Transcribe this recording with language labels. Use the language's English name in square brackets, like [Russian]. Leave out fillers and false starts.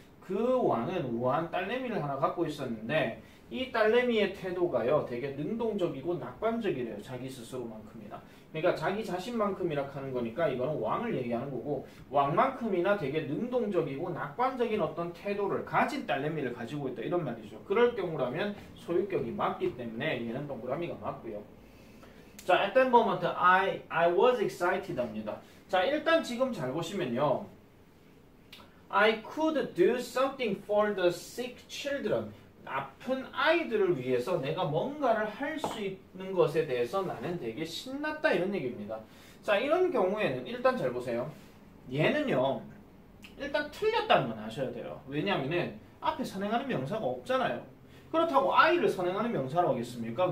[Korean] 그 왕은 우아한 딸내미를 하나 갖고 있었는데 이 딸내미의 태도가요, 되게 능동적이고 낙관적이래요, 자기 스스로만큼이나. 그러니까 자기 자신만큼이라 하는 거니까 이거는 왕을 얘기하는 거고, 왕만큼이나 되게 능동적이고 낙관적인 어떤 태도를 가진 딸내미를 가지고 있다, 이런 말이죠. 그럴 경우라면 소유격이 맞기 때문에 얘는 동그라미가 맞고요. [English] 자, at that moment, I was excited [Korean] 합니다. 자, 일단 지금 잘 보시면요. [English] I could do something for the sick children. [Korean] 아픈 아이들을 위해서 내가 뭔가를 할수 있는 것에 대해서 나는 되게 신났다 이런 얘기입니다. 자, 이런 경우에는 일단 잘 보세요. 얘는요, 일단 틀렸다는 건 아셔야 돼요. 왜냐하면 앞에 선행하는 명사가 없잖아요. 그렇다고 아이를 선행하는 명사라고 하겠습니까?